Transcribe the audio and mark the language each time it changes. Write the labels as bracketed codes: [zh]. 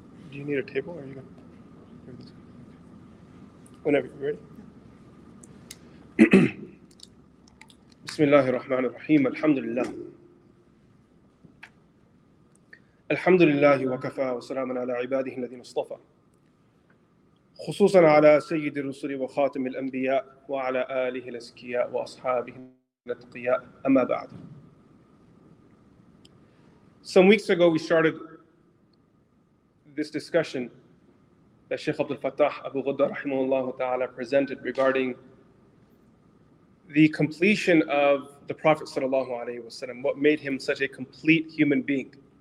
[en] Do you need a table, or whenever you're ready. [ar] بسم الله الرحمن الرحيم الحمد لله الحمد لله وكفى وسلام على عباده الذين اصطفى خصوصا على سيد الرسل وخاتم الأنبياء وعلى آله الأزكياء وأصحابه الأتقياء أما بعد. [en] Some weeks ago we started this discussion that Sheikh Abdul Fattah Abu Ghudda رحمه الله تعالى presented regarding the completion of the Prophet sallallahu alaihi wasallam, what made him such a complete human being.